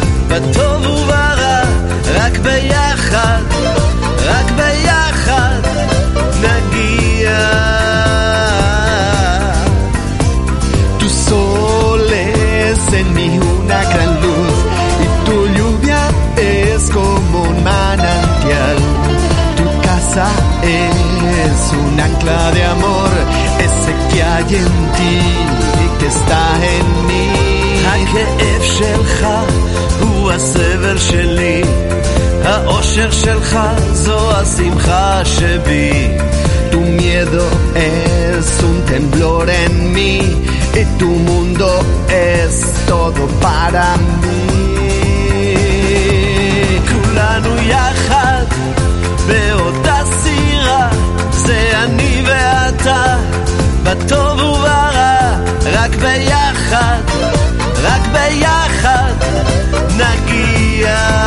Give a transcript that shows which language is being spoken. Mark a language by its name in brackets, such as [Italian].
[Hebrew] בטוב וברע, רק ביחד, רק ביחד נגיע. [Spanish] Tu sol es en mí una gran luz y tu lluvia es como un manantial. Tu casa es un ancla de amor, ese que hay en ti y que está en mí. [Hebrew] הכאב שלך הוא הסבל שלי, האושר שלך זו השמחה שבי. [Spanish] Tu miedo es un temblor en mí y tu mundo es todo para mí. [Hebrew] כולנו יחד באותה סירה, זה אני ואתה, בטוב וברע, רק ביחד, רק ביחד נגיע.